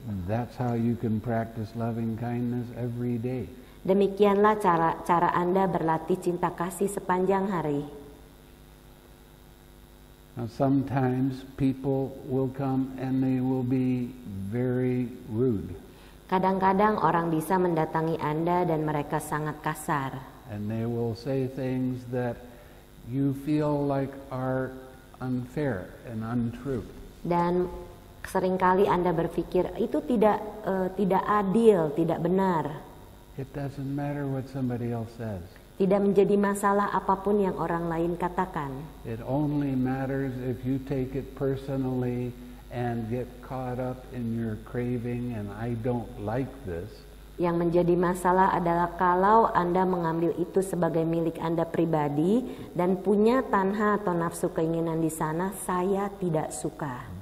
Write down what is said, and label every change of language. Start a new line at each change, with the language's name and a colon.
English: That's how you can practice loving kindness every day.
Indonesian: Demikianlah cara Anda berlatih cinta kasih sepanjang hari.
English: Now sometimes people will come and they will be very rude.
Indonesian: Kadang-kadang orang bisa mendatangi Anda dan mereka sangat kasar.
English: And they will say things that you feel like are unfair and untrue.
Indonesian: Dan seringkali Anda berpikir itu tidak adil, tidak benar.
English: It doesn't matter what somebody else says.
Indonesian: Tidak menjadi masalah apapun yang orang lain katakan.
English: It only matters if you take it personally and get caught up in your craving and I don't like this.
Indonesian: Yang menjadi masalah adalah kalau Anda mengambil itu sebagai milik Anda pribadi dan punya tanha atau nafsu keinginan di sana, saya tidak suka.